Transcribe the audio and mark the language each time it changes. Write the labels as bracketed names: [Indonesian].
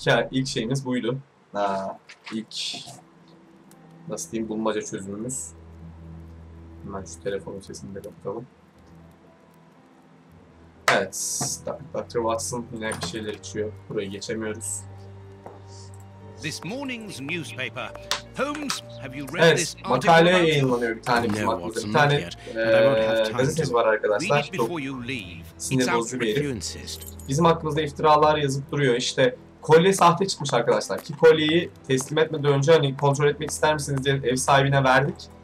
[Turkish] İlk şeyimiz buydu. İlk nasıl diyeyim, bulmaca çözümümüz. Hemen şu telefonun sesini de kapatalım. Evet, Dr. Watson yine bir şeyler içiyor. Burayı geçemiyoruz. [English] This morning's newspaper. Holmes, have you read this article? [Turkish] Evet, makale yayınlanıyor bir tane bizim aklımızda. Bir tane gazetesi var arkadaşlar. Çok sinir bozucu bir herif. Bizim aklımızda iftiralar yazıp duruyor. İşte kolye sahte çıkmış arkadaşlar. Ki kolyeyi teslim etmeden önce hani kontrol etmek ister misiniz diye ev sahibine verdik.